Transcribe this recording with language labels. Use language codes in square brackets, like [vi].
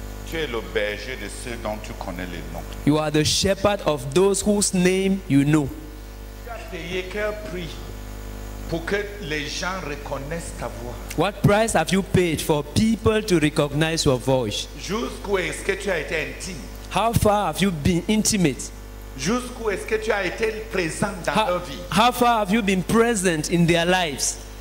[fr] Tu es le berger de ceux dont tu connais les noms. [en] You are the shepherd of those whose name you know. [fr] Tu as payé quel prix? Pour que les gens reconnaissent ta voix. [en] What price have you paid for people to recognize your voice? [fr] Jusqu'où est-ce que tu as été intime? [en] How far have you been intimate? [fr] Jusqu'où est-ce que tu as été présent dans leur vie? [en] How far have you been present in their lives?